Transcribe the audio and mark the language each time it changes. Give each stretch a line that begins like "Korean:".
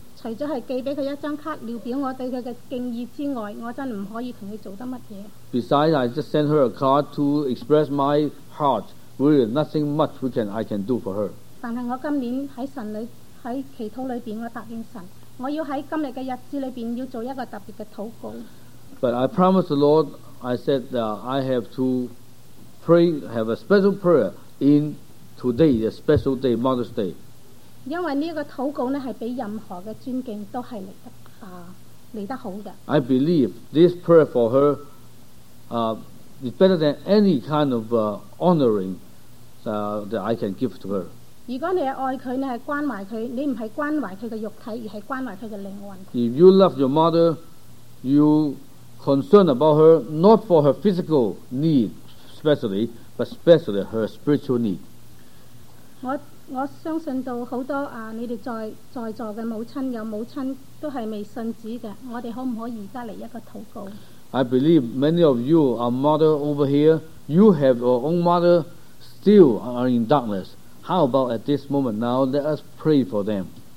Chinese: 除了是寄给她一张卡了表我对她的敬意之外，我真的不可以跟她做什么。
English: Besides, I just sent her a card to express my heart. Really, nothing much I can do for her.
Chinese: 但是我今年在神里在祈祷里面，我答应神，我要在今天的日子里面要做一个特别的祷告。
English: But I promised the Lord, I said that I have to pray, have a special prayer in today, a special day, Mother's Day.
Chinese: 因为这个祷告呢是比任何的尊敬都是来得好的。
English: I believe this prayer for her, It's better than any kind of honoring that I can give to her.
Chinese: 如果你爱她，你是关怀她，你不是关怀她的肉体，而是关怀她的灵魂。
English: If you love your mother, you concern about her, not for her physical need especially, but especially her spiritual need.
Chinese: 我相信到很多你们在座的母亲，有母亲都是未信主的，我们可不可以现在来一个祷告？
English: I believe many of you are mother over here. You have your own mother still are in darkness. How about at this moment now, let us pray for them.